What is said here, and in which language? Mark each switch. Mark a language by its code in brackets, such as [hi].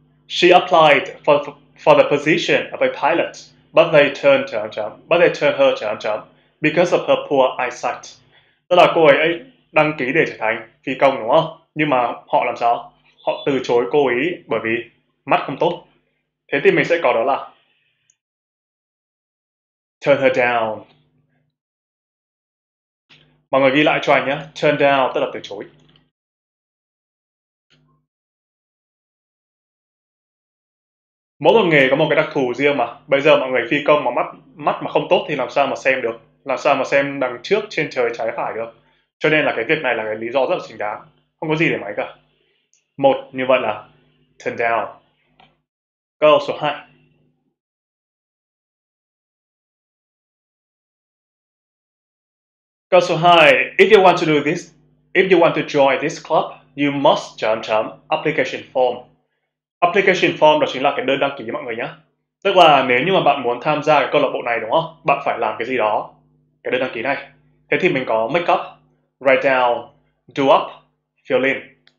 [en] She applied for the position of a pilot, but they turned her [vi] chấm chấm. [en] Because of her poor eyesight. [vi] Tức là cô ấy đăng ký để trở thành phi công đúng không? Nhưng mà họ làm sao? Họ từ chối cô ấy bởi vì mắt không tốt. Thế thì mình sẽ có đó là [en] turn her down. [vi] Mọi người ghi lại cho anh nhé. Turn down tức là từ chối. Mỗi một nghề có một cái đặc thù riêng mà. Bây giờ mọi người phi công mà mắt mắt mà không tốt thì làm sao mà xem được? Làm sao mà xem đằng trước trên trời trái phải được. Cho nên là cái việc này là cái lý do rất là chính đáng, không có gì để máy cả. Một, như vậy là turn down. Câu số 2. Câu số 2. [en] If you want to do this, if you want to join this club, you must [vi] chấm chấm [en] application form. [vi] Application form đó chính là cái đơn đăng ký mọi người nhé. Tức là nếu như mà bạn muốn tham gia cái câu lạc bộ này đúng không? Bạn phải làm cái gì đó, cái đơn đăng ký này. Thế thì mình có [en] make up, write down, do up, fill in.